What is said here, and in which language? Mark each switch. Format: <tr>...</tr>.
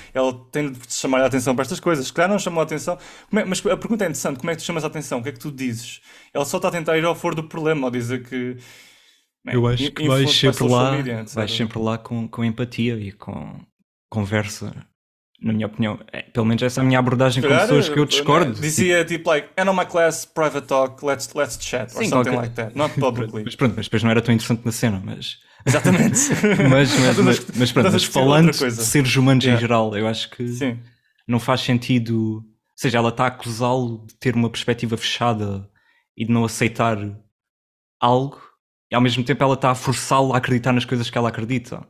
<pt>Ela tem de chamar a atenção para estas coisas. Claro, não chamou a atenção. Mas a pergunta é interessante. Como é que tu chamas a atenção? O que é que tu dizes? Ela só está a tentar ir ao foro do problema, ou dizer que... Eu acho que vais sempre lá, com empatia e com conversa. Na minha opinião, pelo menos essa é a minha abordagem. Esperar, com pessoas que eu discordo. Dizia tipo,</pt> <en>like, end of my class, private talk, let's chat,</en> <pt>sim,</pt> <en>or something like that, not publicly.</en> <pt>Mas pronto, mas depois não era tão interessante na cena, mas... Exatamente. mas pronto, mas falando de seres humanos em geral, eu acho que não faz sentido... Ou seja, ela está a acusá-lo de ter uma perspectiva fechada e de não aceitar algo, e ao mesmo tempo ela está a forçá-lo a acreditar nas coisas que ela acredita.</pt>